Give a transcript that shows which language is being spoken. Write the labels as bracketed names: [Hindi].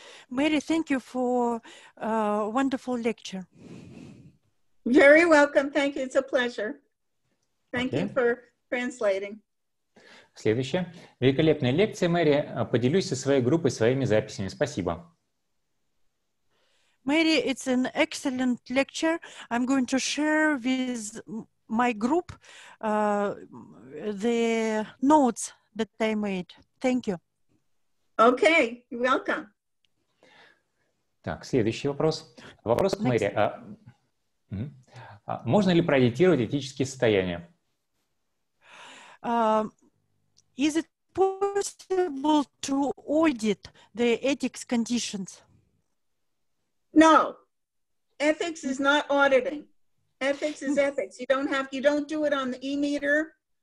[English] Mary, thank you for a wonderful lecture. Very welcome. Thank you. It's a pleasure. Thank you for translating. [Russian] Следующее. Великолепная лекция, Мэри. Поделюсь со своей группой своими записями. Спасибо. [English] Mary, it's an excellent lecture. I'm going to share with my group the notes that I made. Thank you. Okay. You're welcome. [Russian] Так, следующий вопрос. Вопрос к Мэри. Можно ли проедитировать этические состояния? [English] Is it possible to audit the ethics conditions? No. Ethics is not auditing. Ethics is ethics. You don't do it on the e-meter.